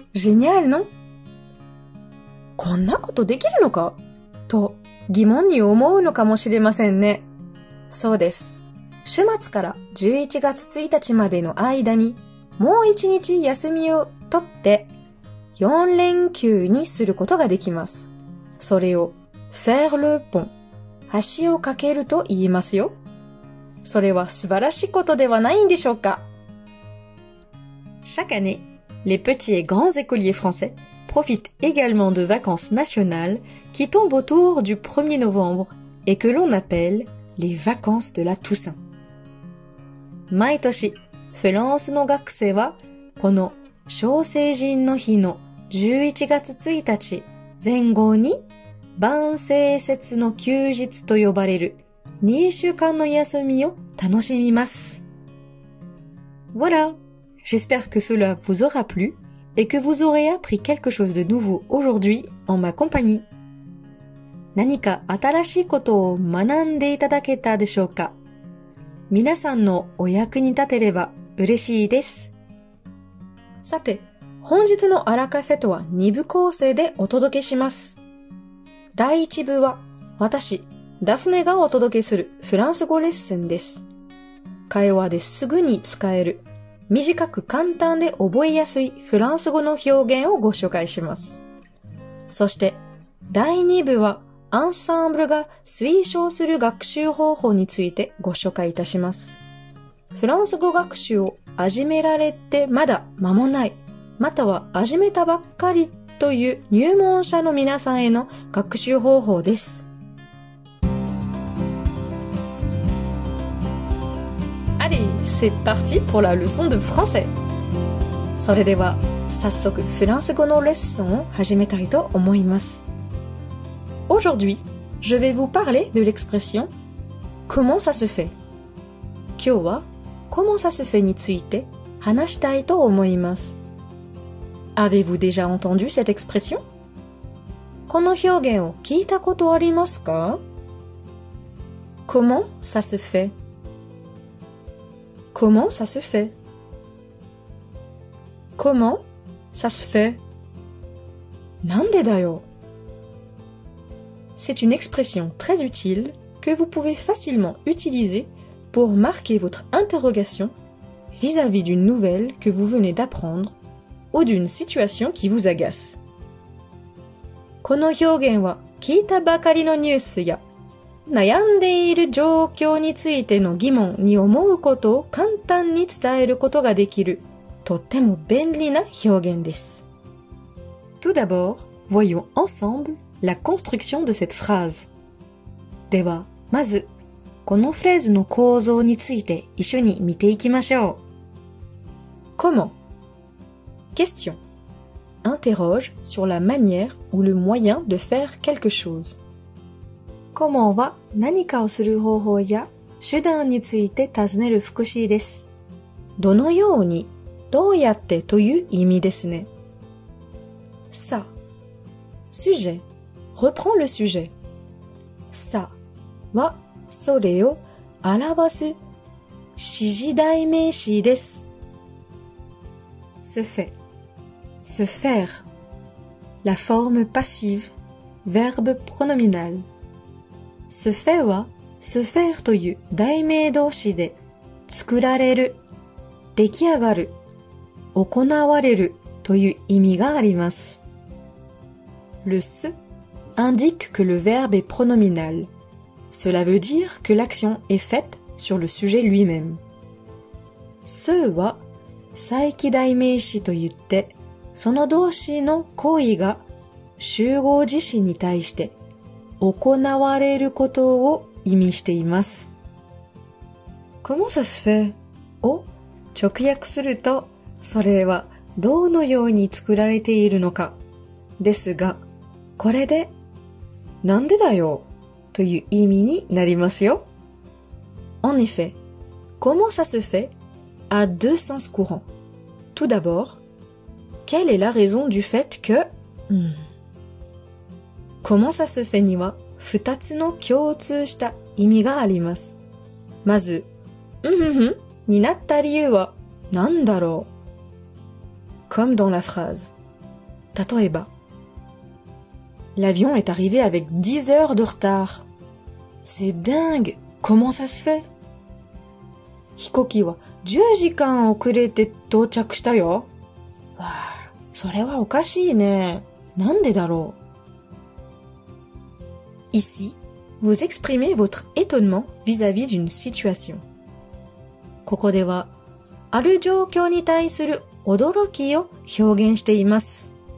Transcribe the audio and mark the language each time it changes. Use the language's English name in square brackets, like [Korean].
[French] Génial, non ? [Japanese] こんなことできるのかと疑問に思うのかもしれませんね。そうです。週末から11月1日までの間にもう1日休みを取って4連休にすることができます。それを [French] faire le pont [Japanese] 橋を架けると言いますよ。それは素晴らしいことではないんでしょうか [French] Chaque année, les petits et grands écoliers françaisprofite également de vacances nationales qui tombent autour du 1er novembre et que l'on appelle les vacances de la Toussaint. [Japanese] 毎年、フランスの学生はこの小成人の日の11月1日前後に万聖節の休日と呼ばれる2週間の休みを楽しみます。 [French] Voilà! J'espère que cela vous aura plu. Et que vous aurez appris quelque chose de nouveau aujourd'hui en ma compagnie. [Japanese] 何か新しいことを学んでいただけたでしょうか? 皆さんのお役に立てれば嬉しいです。さて、本日のアラカフェとは2部構成でお届けします。第1部は私、ダフネがお届けするフランス語レッスンです。会話ですぐに使える。短く簡単で覚えやすいフランス語の表現をご紹介します。そして、第2部はアンサンブルが推奨する学習方法についてご紹介いたします。フランス語学習を始められてまだ間もない、または始めたばっかりという入門者の皆さんへの学習方法です。 [French] C'est parti pour la leçon de français. [Japanese] それでは、早速フランス語のレッスンを始めたいと思います。 [French] Aujourd'hui, je vais vous parler de l'expression comment ça se fait. [Japanese] 今日は、 [French] comment ça se fait [Japanese] について話したいと思います。 [French] Avez-vous déjà entendu cette expression? [Japanese] この表現を聞いたことありますか? [French] Comment ça se fait? Comment ça se fait? Comment ça se fait? [Japanese] なんでだよ? [French] C'est une expression très utile que vous pouvez facilement utiliser pour marquer votre interrogation vis-à-vis d'une nouvelle que vous venez d'apprendre ou d'une situation qui vous agace. [Japanese] この表現は聞いたばかりのニュースや悩んでいる状況についての疑問に思うことを簡単に伝えることができるとっても便利な表現です。 [French] Tout d'abord, voyons ensemble la construction de cette phrase. [Japanese] では、まず、このフレーズの構造について一緒に見ていきましょう。 [French] Comment? Question. Interroge sur la manière ou le moyen de faire quelque chose. [Japanese] Comment va 何かをする方法や手段について尋ねる副詞です。どのように、どうやってという意味ですね。 [French] さ。Sujet. Reprends le sujet. [Japanese] さは、それを表す指示代名詞です。 [French] Se fait. Se faire. La forme passive, verbe pronominal. [Japanese] Se fait は、se faire という代名動詞で、作られる、出来上がる、行われるという意味があります。 [French] Le se indique que le verbe est pronominal. Cela veut dire que l'action est faite sur le sujet lui-même. [Japanese] Se は再起代名詞と言って、その動詞の行為が集合自身に対して行われることを意味しています。 [French] Comment ça se fait? [Japanese] を直訳すると、それはどのように作られているのか。ですが、これで、なんでだよ? という意味になりますよ。 [French] En effet, comment ça se fait a deux sens courants. Tout d'abord, quelle est la raison du fait que... Comment ça se fait [Japanese] には二つの共通した意味があります。まず、になった理由は何だろう? [French] Comme dans la phrase. [Japanese] 例えば、 [French] L'avion est arrivé avec 10 heures de retard. C'est dingue! Comment ça se fait? [Japanese] 飛行機は10時間遅れて到着したよ。わあ、それはおかしいね。なんでだろう? [French] Ici, vous exprimez votre étonnement vis-à-vis d'une situation. [Japanese] ここでは、ある状況に対する驚きを表現しています。